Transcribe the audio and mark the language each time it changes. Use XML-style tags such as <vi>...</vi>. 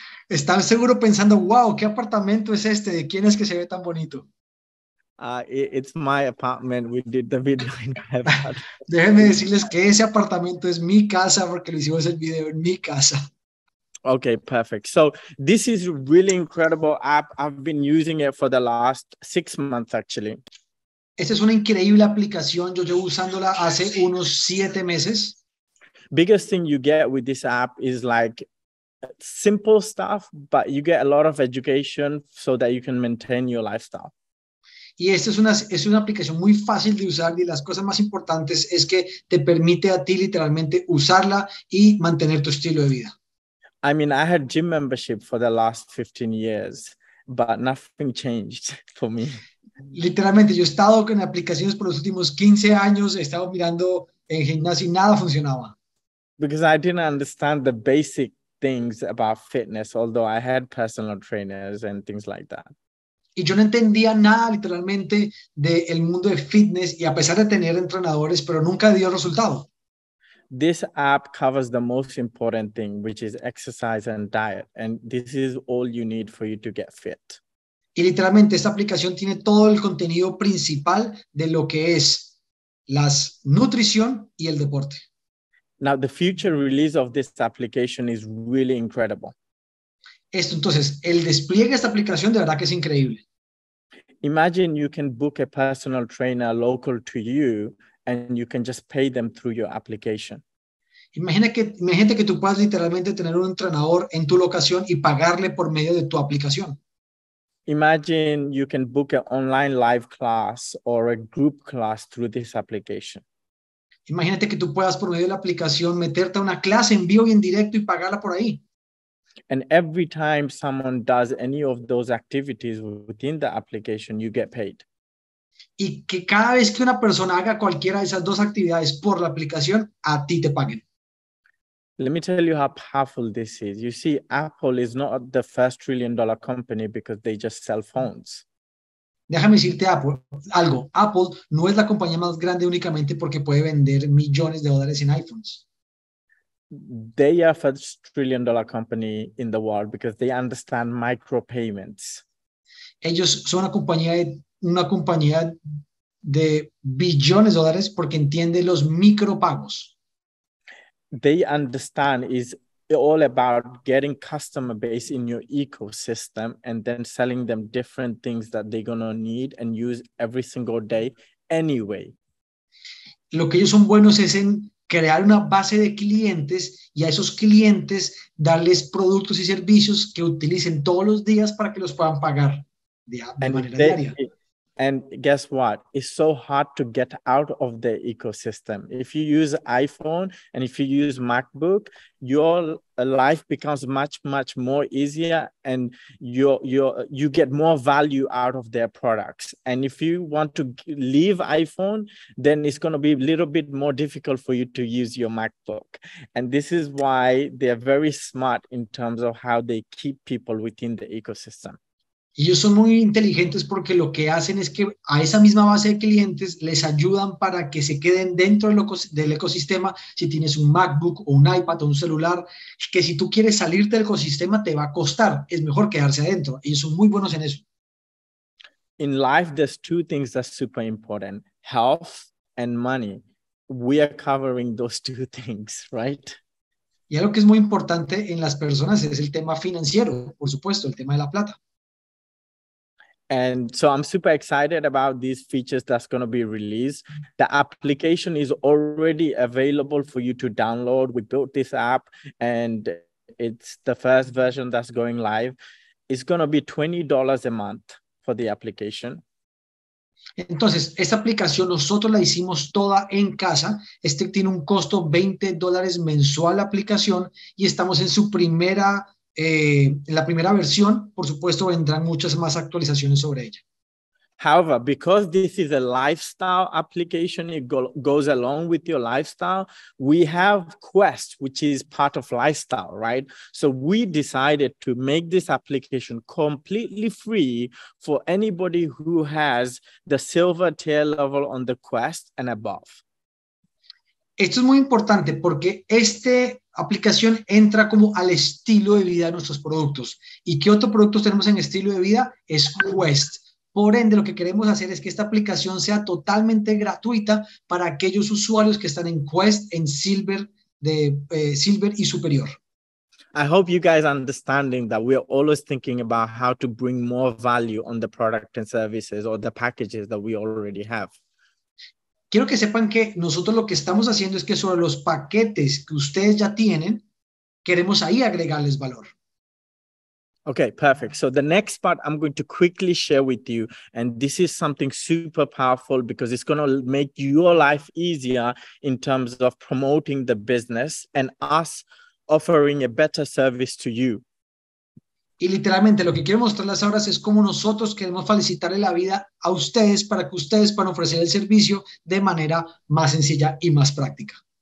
<es>Están seguro pensando, wow, ¿qué apartamento es este? ¿De quién es que se ve tan bonito?</es> <en>It's my apartment. We did the video in my apartment.</en> <es>Déjenme decirles que ese apartamento es mi casa porque lo hicimos el video en mi casa.</es> <en>Okay, perfect. So this is really incredible app. I've been using it for the last 6 months, actually.</en> <es>Esta es una increíble aplicación. Yo llevo usándola hace unos 7 meses.</es> <en>Biggest thing you get with this app is like simple stuff, but you get a lot of education so that you can maintain your lifestyle.</en> <es>Y esta es una aplicación muy fácil de usar y las cosas más importantes es que te permite a ti literalmente usarla y mantener tu estilo de vida.</es> <en>I mean, I had gym membership for the last 15 years, but nothing changed for me.</en> <es>Literalmente, yo he estado con aplicaciones por los últimos 15 años, he estado mirando en gimnasio y nada funcionaba.</es> <en>Because I didn't understand the basic things about fitness, although I had personal trainers and things like that.</en> <es>Y yo no entendía nada literalmente del mundo de fitness y a pesar de tener entrenadores, pero nunca dio resultado.</es> <en>This app covers the most important thing, which is exercise and diet. And this is all you need for you to get fit.</en> <es>Y literalmente esta aplicación tiene todo el contenido principal de lo que es la nutrición y el deporte.</es> <en>Now the future release of this application is really incredible.</en> <es>Esto entonces, el despliegue de esta aplicación de verdad que es increíble.</es> <en>imagine you can book a personal trainer local to you and you can just pay them through your application.</en> <es>Imagínate que tú puedas literalmente tener un entrenador en tu locación y pagarle por medio de tu aplicación.</es> <en>Imagine you can book an online live class or a group class through this application.</en> <es>Imagínate que tú puedas por medio de la aplicación meterte a una clase en vivo y en directo y pagarla por ahí.</es> <en>And every time someone does any of those activities within the application, you get paid.</en> <es>Y que cada vez que una persona haga cualquiera de esas dos actividades por la aplicación, a ti te paguen.</es> <en>Let me tell you how powerful this is. You see, Apple is not the first $1 trillion company because they just sell phones.</en> <es>Déjame decirte Apple, algo. Apple no es la compañía más grande únicamente porque puede vender millones de dólares en iPhones.</es> <en>They are the first $1 trillion company in the world because they understand micropayments.</en> <es>Ellos son una compañía de billones de dólares porque entiende los micropagos.</es> <en>They understand is all about getting customer base in your ecosystem and then selling them different things that they're going to need and use every single day anyway. Lo que ellos son buenos es en crear una base de clientes y a esos clientes darles productos y servicios que utilicen todos los días para que los puedan pagar de manera diaria. And guess what? It's so hard to get out of the ecosystem. If you use iPhone and if you use MacBook, your life becomes much, much more easier and you get more value out of their products. And if you want to leave iPhone, then it's going to be a little bit more difficult for you to use your MacBook. And this is why they're very smart in terms of how they keep people within the ecosystem.</en> <es>Y ellos son muy inteligentes porque lo que hacen es que a esa misma base de clientes les ayudan para que se queden dentro del ecosistema. Si tienes un MacBook o un iPad o un celular, que si tú quieres salir del ecosistema te va a costar. Es mejor quedarse adentro. Ellos son muy buenos en eso.</es> <en>In life, there's two things that's super important: health and money. We are covering those two things, right?</en> <es>Y algo que es muy importante en las personas es el tema financiero, por supuesto, el tema de la plata.</es> <en>And so I'm super excited about these features that's going to be released. The application is already available for you to download. We built this app and it's the first version that's going live. It's going to be $20 a month for the application.</en> <es>Entonces, esta aplicación nosotros la hicimos toda en casa. Este tiene un costo $20 mensual la aplicación y estamos en su primera la primera versión, por supuesto, vendrán muchas más actualizaciones sobre ella.</es> <en>However, because this is a lifestyle application, it goes along with your lifestyle, we have Quest, which is part of lifestyle, right? So we decided to make this application completely free for anybody who has the silver tier level on the Quest and above.</en> <es>Esto es muy importante porque este aplicación entra como al estilo de vida de nuestros productos. ¿Y qué otro producto tenemos en estilo de vida? Es Quest. Por ende, lo que queremos hacer es que esta aplicación sea totalmente gratuita para aquellos usuarios que están en Quest, en Silver, Silver y Superior.</es> <en>I hope you guys are understanding that we are always thinking about how to bring more value on the product and services or the packages that we already have.</en> <es>Quiero que sepan que nosotros lo que estamos haciendo es que sobre los paquetes que ustedes ya tienen, queremos ahí agregarles valor.</es> <en>Okay, perfect. So the next part I'm going to quickly share with you, and this is something super powerful because it's going to make your life easier in terms of promoting the business and us offering a better service to you.</en> <es>Y literalmente lo que quiero mostrarles ahora es cómo nosotros queremos facilitarle la vida a ustedes para que ustedes puedan ofrecer el servicio de manera más sencilla y más práctica.</es>